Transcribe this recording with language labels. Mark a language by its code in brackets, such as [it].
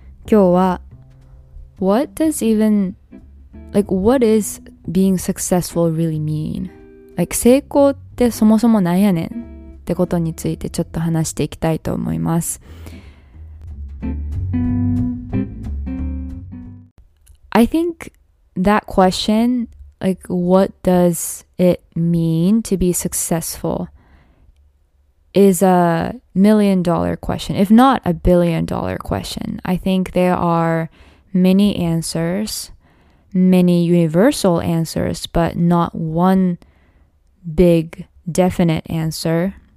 [ja] 今日は [en] What does even like what is being successful really mean? [ja] Like 成功ってそもそもなんやねんってことについてちょっと話していきたいと思います。 [en] I think that question, like what does it mean to be successful? Is a million-dollar question, if not a billion-dollar question. I think there are many answers, many universal answers, but not one big definite answer.